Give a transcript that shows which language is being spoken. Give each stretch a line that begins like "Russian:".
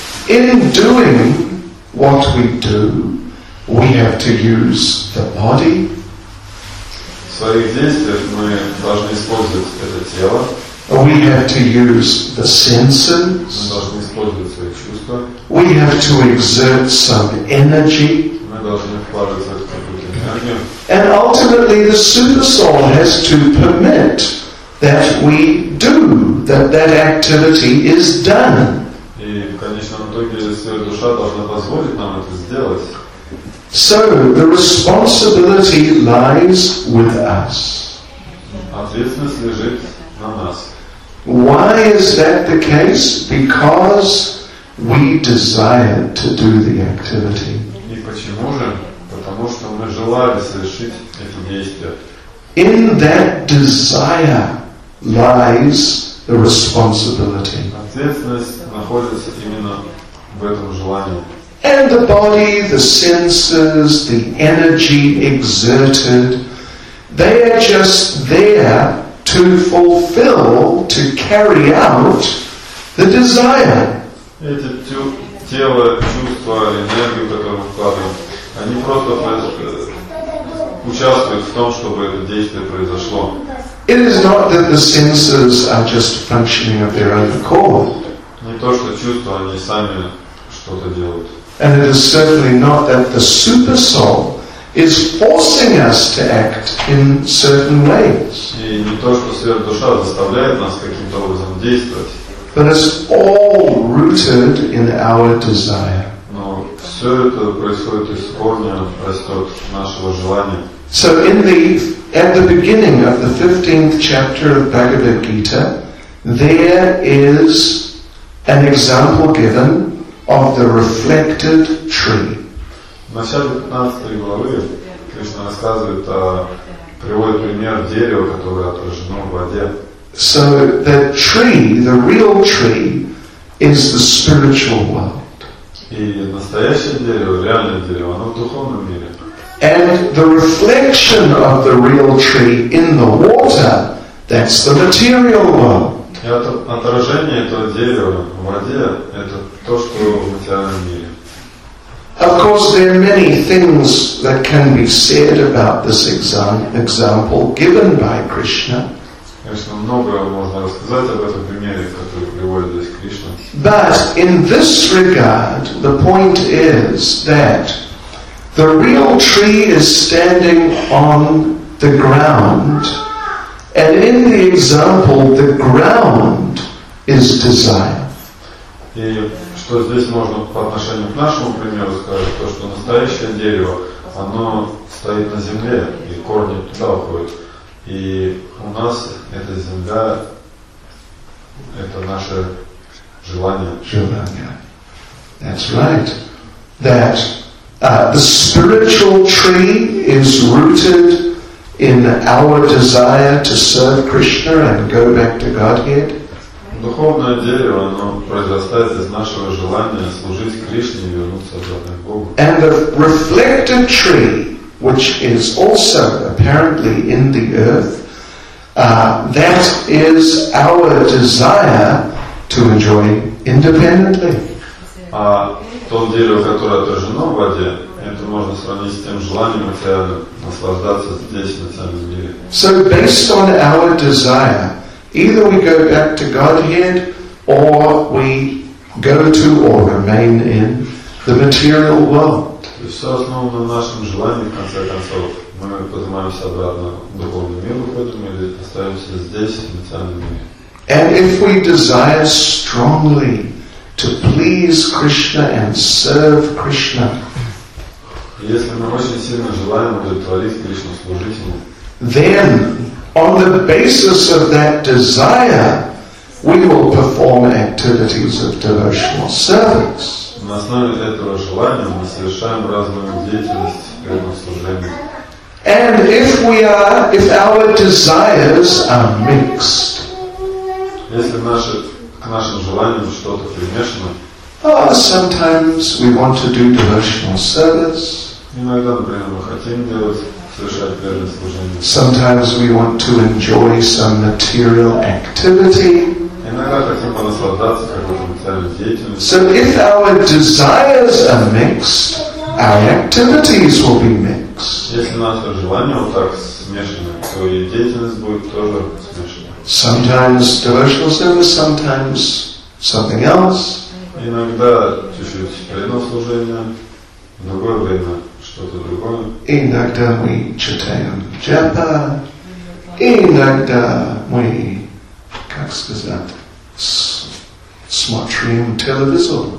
English: In doing what we do, we have to use the body.
Russian: В своих действиях мы должны использовать это тело.
English: We have to use the senses.
Russian: Мы должны использовать свои чувства.
English: We have to exert some energy.
Russian: Мы должны вкладывать какую-то энергию.
English: And ultimately the super soul has to permit that we do, that activity is done.
Russian: И в конечном итоге сверх душа должна позволить нам это сделать.
English: So the responsibility lies with us.
Russian: Ответственность лежит на нас.
English: Why is that the case? Because we desire to do the activity.
Russian: И почему же? Потому что мы желали совершить это действие.
English: In that desire lies the responsibility.
Russian: Ответственность находится именно в этом желании.
English: And the body, the senses, the energy exerted, they are just there to fulfill, to carry out the desire.
Russian: Эти тело, чувства, энергию, которую мы вкладываем, они просто участвуют в том, чтобы это действие произошло.
English: It is not that the senses are just functioning of their own accord.
Russian: Не то, что чувства, они сами что-то делают.
English: And it is certainly not that the super soul is forcing us to act in certain ways.
Russian: И не то, что сверхдуша заставляет нас каким-то образом действовать.
English: But it's all rooted in our desire.
Russian: Но все это происходит из корня, растет нашего желания.
English: So at the beginning of the 15th chapter of Bhagavad Gita, there is an example given of the reflected tree.
Russian: В начале 15 главы Кришна рассказывает о приводит пример дерева, которое отражено в воде.
English: So the tree, the real tree, is the spiritual world.
Russian: И настоящее дерево, реальное дерево, оно в духовном мире.
English: And the reflection of the real tree in the water, that's the material world.
Russian: И отражение этого дерева в воде — это то, что в материальном мире.
English: Of course, there are many things that can be said about this example given by Krishna.
Russian: Конечно, многое можно рассказать об этом примере, который приводит здесь Кришна.
English: But in this regard, the point is that the real tree is standing on the ground. And in the example, the ground is desire.
Russian: И что здесь можно по отношению к нашему примеру сказать, то что настоящее дерево, оно стоит на земле, и корни туда уходят. И у нас эта земля, это наше желание. Желание.
English: That's right. That the spiritual tree is rooted in our desire to serve Krishna and go back to Godhead.
Russian: Духовное дерево, оно произрастает из нашего желания служить Кришне и вернуться обратно к Богу.
English: And the reflected tree, which is also apparently in the earth, That is our desire to enjoy independently.
Russian: А то дерево, которое отражено в воде, это можно сравнить с тем желанием океана наслаждаться здесь, на самом деле.
English: So based on our desire, either we go back to Godhead, or we go to or remain in the material world.
Russian: То есть все основано на нашем желании, в конце концов. Мы поднимаемся обратно в духовный мир, уходим или остаемся здесь, в материальном мире.
English: And if we desire strongly to please Krishna and serve Krishna,
Russian: если мы очень сильно желаем удовлетворить Кришну, служить Ему,
English: then, on the basis of that desire, we will perform activities of devotional service.
Russian: На основе этого желания мы совершаем разную деятельность прямослужения.
English: And if we are, if our desires are mixed,
Russian: если наши, к нашим желаниям что-то примешано,
English: sometimes we want to do devotional service,
Russian: иногда, например, мы хотим делать, совершать верное служение,
English: sometimes we want to enjoy some material activity,
Russian: иногда хотим понаслаждаться какой-то материальной деятельностью.
English: So if our desires are mixed, our activities will be mixed.
Russian: Если наши желания вот так смешаны, то и деятельность будет тоже смешана.
English: Sometimes devotional service, sometimes something else.
Russian: Иногда чуть-чуть одно служение, в другое время что-то другое. Иногда мы читаем джапа, иногда мы, как сказать, смотрим телевизор.